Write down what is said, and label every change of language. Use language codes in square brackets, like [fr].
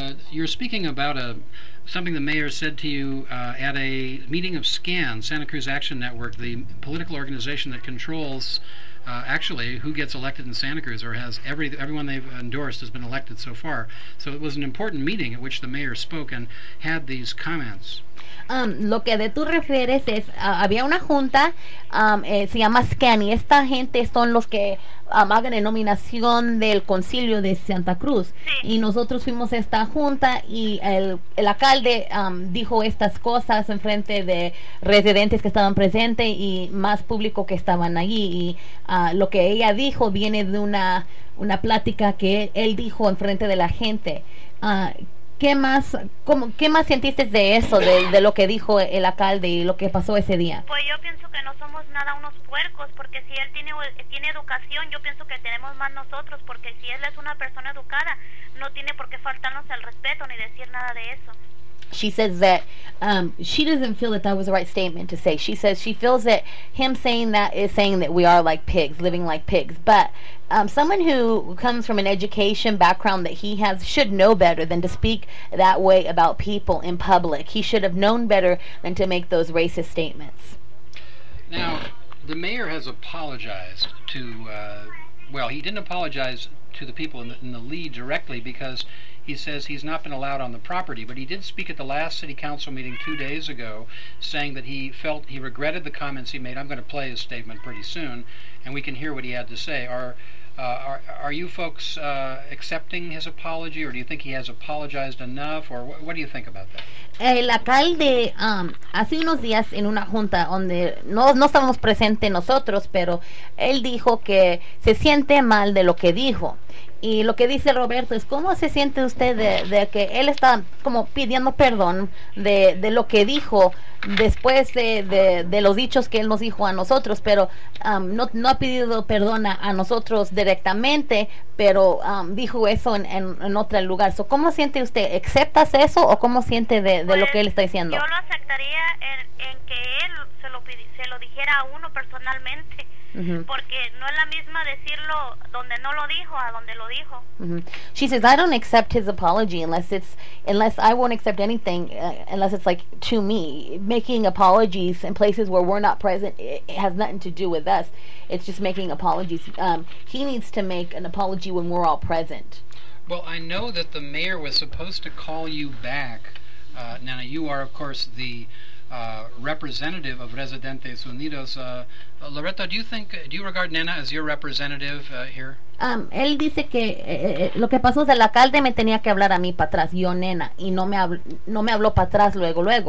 [en] You're speaking about something the mayor said to you at a meeting of SCAN, Santa Cruz Action Network, the political organization that controls actually who gets elected in Santa Cruz, or has everyone they've endorsed has been elected so far. So it was an important meeting at which the mayor spoke and had these comments. [es] Lo que de tú refieres es, había una junta, se llama SCAN, y esta gente son los que hagan la nominación del concilio de Santa Cruz. Sí. Y nosotros fuimos a esta junta y el alcalde dijo estas cosas en frente de residentes que estaban presentes y más público que estaban allí. Y lo que ella dijo viene de una plática que él dijo en frente de la gente. ¿Qué más sentiste de eso, de lo que dijo el alcalde y lo que pasó ese día? Pues yo pienso que no somos nada unos puercos, porque si él tiene educación, yo pienso que tenemos más nosotros, porque si él es una persona educada, no tiene por qué faltarnos el respeto ni decir nada de eso. [en] She says that she doesn't feel that was the right statement to say. She says she feels that him saying that is saying that we are like pigs, living like pigs. But someone who comes from an education background that he has should know better than to speak that way about people in public. He should have known better than to make those racist statements. Now, the mayor has apologized to, he didn't apologize to the people in the Lee directly because he says he's not been allowed on the property, but he did speak at the last city council meeting 2 days ago saying that he regretted the comments he made. I'm going to play his statement pretty soon, and we can hear what he had to say. Are you folks accepting his apology, or do you think he has apologized enough, or what do you think about that? [es] El alcalde, hace unos días en una junta donde no estábamos presentes nosotros, pero él dijo que se siente mal de lo que dijo. Y lo que dice Roberto es, ¿cómo se siente usted de que él está como pidiendo perdón de lo que dijo después de los dichos que él nos dijo a nosotros, pero no ha pedido perdón a nosotros directamente, pero dijo eso en otro lugar? So, ¿cómo siente usted? ¿Aceptas eso o cómo siente de pues, lo que él está diciendo? Yo lo aceptaría en que él se lo dijera a uno personalmente. Mm-hmm. Porque no es la misma decirlo donde no lo dijo a donde lo dijo. Mm-hmm. [en] She says, I don't accept his apology unless I won't accept anything unless it's like to me. Making apologies in places where we're not present, it has nothing to do with us. It's just making apologies. He needs to make an apology when we're all present. Well, I know that the mayor was supposed to call you back. Nana, you are, of course, the representative of Residentes Unidos. Loreto, do you regard Nena as your representative here? [es] Él dice que lo que pasó es el alcalde me tenía que hablar a mí para atrás, yo Nena, y no me habló para atrás luego.